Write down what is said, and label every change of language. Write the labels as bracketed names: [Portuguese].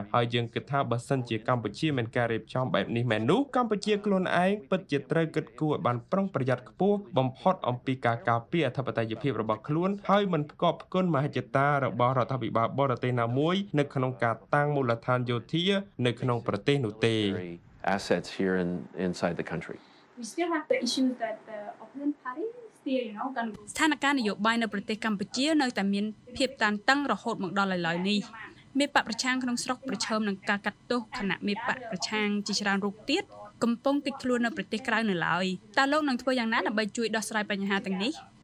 [Khmer] ហើយយើងគិតថាបើសិនជាកម្ពុជាមានការរៀបចំបែបនេះមែននោះកម្ពុជាខ្លួនឯងពិតជាត្រូវគិតគូរឱ្យបានប្រុងប្រយ័ត្នខ្ពស់បំផុតអំពីការការពារអធិបតេយ្យភាពរបស់ខ្លួនហើយមិនផ្គប់ផ្គុនមហិច្ឆតារបស់រដ្ឋាភិបាលបរទេសណាមួយនៅក្នុងការតាំងមូលដ្ឋានយោធានៅក្នុងប្រទេសនោះទេ [English] Assets here inside the country. We still have the issue that the opponent party still, you know, can go. [Khmer] ស្ថានភាពនយោបាយនៅប្រទេសកម្ពុជានៅតែមានភាពតានតឹងរហូតមកដល់ឥឡូវនេះមានបកប្រឆាំងក្នុងស្រុកប្រឈមនឹងការកាត់ទោសគណៈមេបកប្រឆាំងជាច្រើនរូបទៀតកំពុងគិតខ្លួននៅប្រទេសក្រៅនៅឡើយតើលោកនឹងធ្វើយ៉ាងណាដើម្បីជួយដោះស្រាយបញ្ហាទាំងនេះ